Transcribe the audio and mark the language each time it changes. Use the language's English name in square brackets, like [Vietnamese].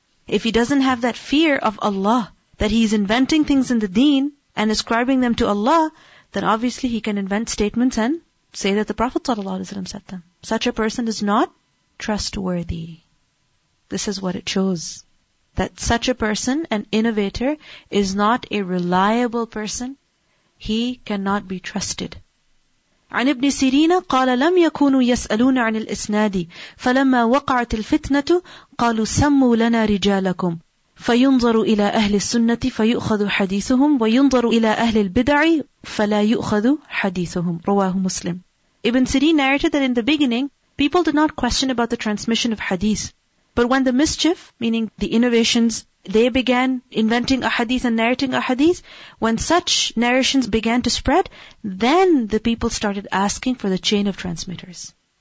[English] If he doesn't have that fear of Allah, that he's inventing things in the deen and ascribing them to Allah, then obviously he can invent statements and say that the Prophet ﷺ said them. Such a person is not trustworthy. This is what it shows. That such a person, an innovator, is not a reliable person. He cannot be trusted. [Arabic] عن ابن سيرين قال لم يكونوا يسألون عن الإسناد فلما وقعت الفتنة قالوا سموا لنا رجالكم فينظر إلى أهل السنة فيؤخذ حديثهم وينظر إلى أهل البدع فلا يؤخذ حديثهم رواه مسلم. [English] Ibn Sirin narrated that in the beginning, people did not question about the transmission of hadith. But when the mischief, meaning the innovations, they began inventing a hadith and narrating a hadith, when such narrations began to spread, then the people started asking for the chain of transmitters.